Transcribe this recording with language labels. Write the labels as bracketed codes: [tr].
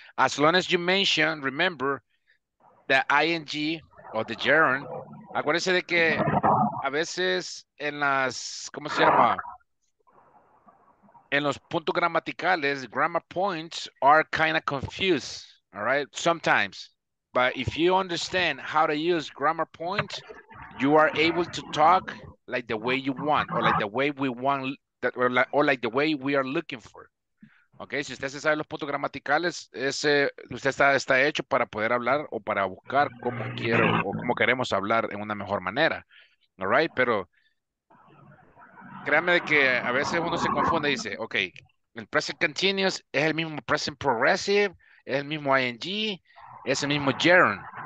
[en] As long as you mention, remember, the ing or the gerund. [es] Acuérdense de que a veces en las, ¿cómo se llama? En los puntos gramaticales, [en] grammar points are kind of confused, all right? Sometimes. But if you understand how to use grammar points, you are able to talk like the way you want, or like the way we want, that, or like the way we are looking for. [es] Okay, si usted se sabe los puntos gramaticales, ese usted está hecho para poder hablar o para buscar cómo quiero o cómo queremos hablar en una mejor manera. [en] All right, [es] pero créanme de que a veces uno se confunde y dice, okay, el present continuous es el mismo present progressive, es el mismo ing, es el mismo gerund.